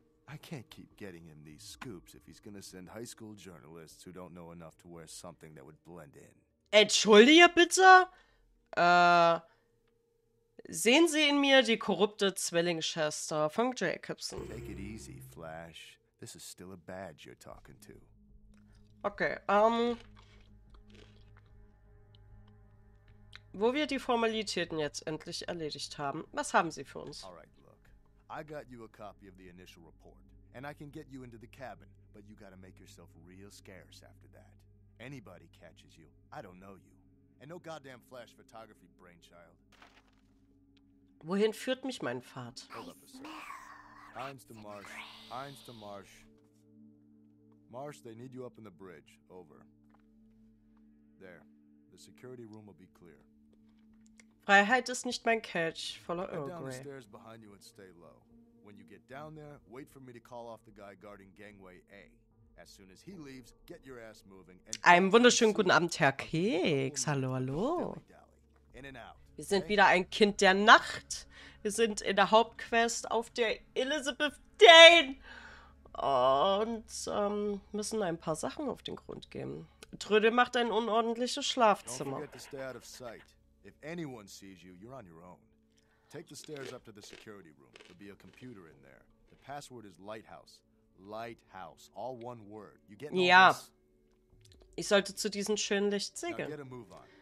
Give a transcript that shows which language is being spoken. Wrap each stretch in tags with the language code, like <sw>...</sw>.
<en>I can't keep getting him these scoops if he's gonna send high school journalists who don't know enough to wear something that would blend in.</en> <de>Entschuldige bitte? Sehen Sie in mir die korrupte Zwillingsschwester von Jacobson.</de> <en>Take it easy, Flash. This is still a badge you're talking to.</en> <de>Okay, wo wir die Formalitäten jetzt endlich erledigt haben, was haben Sie für uns?</de> <en>Alright, look. I got you a copy of the initial report. And I can get you into the cabin, but you gotta make yourself real scarce after that. Anybody catches you, I don't know you. And no goddamn flash photography, brainchild.</en> <de>Wohin führt mich mein Pfad?</de> <en>Hold up a second. Eins to Marsh. Eins to Marsh. Marsh, they need you up in the bridge. Over. There. The security room will be clear.</en> <de>Freiheit ist nicht mein Catch.</de> <en>Follow Earl Grey. Go down the stairs behind you and stay low. When you get down there, wait for me to call off the guy guarding gangway A. As soon as he leaves, get your ass moving.</en> <de>Einen wunderschönen guten Abend, Herr Keks. Hallo, hallo.</de> <en>In and out.</en> <de>Wir sind wieder ein Kind der Nacht. Wir sind in der Hauptquest auf der Elizabeth Dane. Und müssen ein paar Sachen auf den Grund gehen. Trödel macht ein unordentliches Schlafzimmer.</de> <en>Don't forget to stay out of sight. If anyone sees you, you're on your own. Take the stairs up to the security room. There'll be a computer in there. The password is Lighthouse. Lighthouse. All one word. You get</en> <de>ja. Ich sollte zu diesem schönen Licht segeln.</de> <en>Now get a move on.</en>